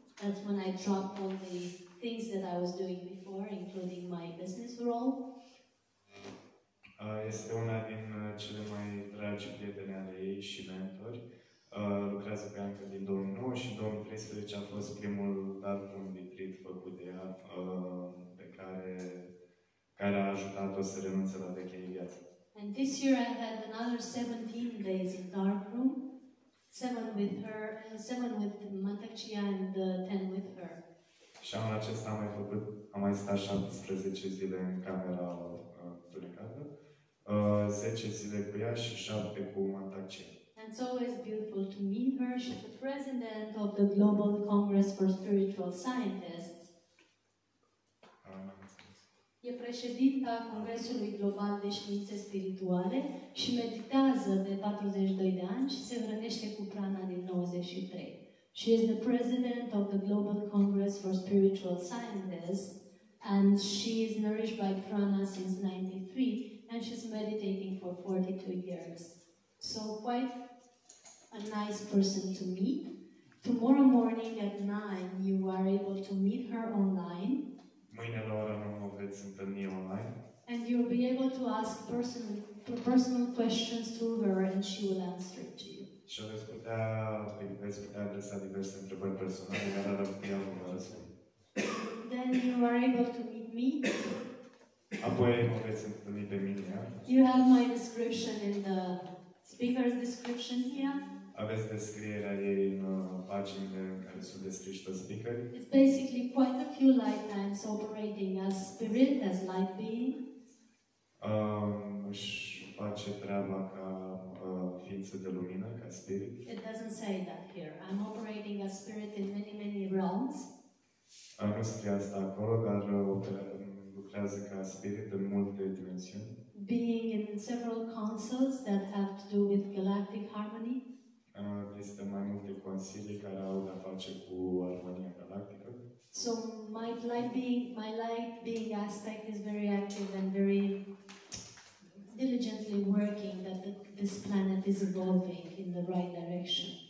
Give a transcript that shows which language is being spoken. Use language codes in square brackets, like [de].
[en] That's when I dropped all the things that I was doing before, including my business role. [ro] Este una din cele mai dragi prieteni ale ei și mentori. Lucrează pe Anca din 2009 și 2013 a fost primul dark room retreat făcut de ea, pe care a ajutat-o să renunțe la vechea viață. [en] And this year I had another 17 days in dark room, 7 with her, 7 with Matakchia and 10 with her. [ro] Și anul acesta am mai stat 17 zile în camera plecată, 10 zile cu ea și 7 cu Matakchia. [en] And it's always beautiful to meet her. She's the president of the Global Congress for Spiritual Scientists. [ro] E președinta Congresului Global de Științe Spirituale și meditează de 42 de ani și se hrănește cu prana din 93. [en] She is the president of the Global Congress for Spiritual Scientists and she is nourished by prana since 93 and she's meditating for 42 years. So quite a nice person to meet. Tomorrow morning at 9 you are able to meet her online. [ro] Mâine la ora 9 veți întâlni online. [en] And you'll be able to ask personal questions to her and she will answer it to you. [ro] Și veți putea adresa diverse întrebări personale, dar ea vă va răspunde. [en] Then you are able to meet me. [ro] Apoi mă veți întâlni pe mine. [en] You have my description in the speaker's description here. [ro] Aveți descrierea ei în paginile în care sunt descriși toți speakerii. [en] It's basically quite a few lifetimes operating as spirit, as light being. [ro] Își face treaba ca ființă de lumină, ca spirit. [en] It doesn't say that here. I'm operating as spirit in many, many realms. [ro] Nu scrie asta acolo, dar lucrează ca spirit în multe dimensiuni. [en] Being in several councils that have to do with galactic harmony. [ro] Este mai multe consilii care au de-a face cu armonia galactică. [en] So my light being aspect is very active and very diligently working that this planet is evolving in the right direction.